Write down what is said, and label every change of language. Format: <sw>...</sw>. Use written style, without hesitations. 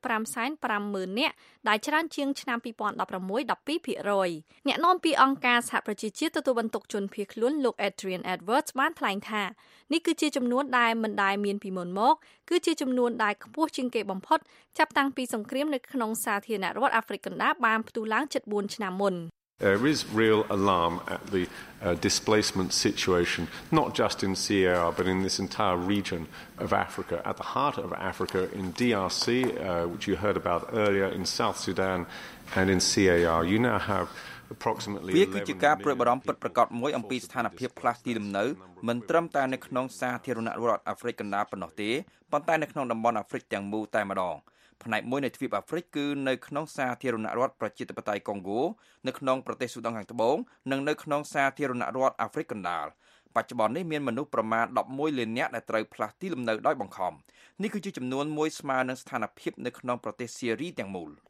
<km>7.5 ម៉ឺននាក់ដែលច្រើនជាងឆ្នាំ 2016 12%អ្នកនាំពាក្យអង្គការសហប្រជាជាតិទទួលបន្ទុកជនភៀសខ្លួនលោក Adrian Edwards បានថ្លែងថានេះគឺជាចំនួនដែលមិនដែលមានពីមុនមកគឺជាចំនួនដែលខ្ពស់ជាងគេបំផុតចាប់តាំងពីសង្គ្រាមនៅក្នុងសាធារណរដ្ឋអាហ្វ្រិកកណ្ដាលបានផ្ទុះឡើងជិត4ឆ្នាំមុន</km> <en>There is real alarm at the displacement situation not just in CAR but in this entire region of Africa at the heart of Africa in DRC which you heard about earlier in South Sudan and in CAR you now have approximately 11 million people</en> <km>ពីគឺជាប្រកាសមួយអំពីស្ថានភាពផ្លាស់ទីលំនៅមិនត្រឹមតែនៅក្នុងសាធារណរដ្ឋអាហ្វ្រិកកណ្ដាលប៉ុណ្ណោះទេប៉ុន្តែនៅក្នុងតំបន់អាហ្វ្រិកទាំងមូលតែម្ដងផ្នែកមួយនៃទ្វីបអាហ្វ្រិកគឺនៅក្នុងសាធារណរដ្ឋប្រជាធិបតេយ្យកុងហ្គោនៅក្នុងប្រទេសស៊ូដង់ខាងត្បូងនិងនៅក្នុងសាធារណរដ្ឋអាហ្វ្រិកកណ្ដាលបច្ចុប្បន្ននេះមានមនុស្សប្រមាណ11លាននាក់ដែលត្រូវផ្លាស់ទីលំនៅដោយបង្ខំនេះគឺជាចំនួនមួយស្មើនឹងស្ថានភាពនៅក្នុងប្រទេសសៀរីទាំងមូល</km>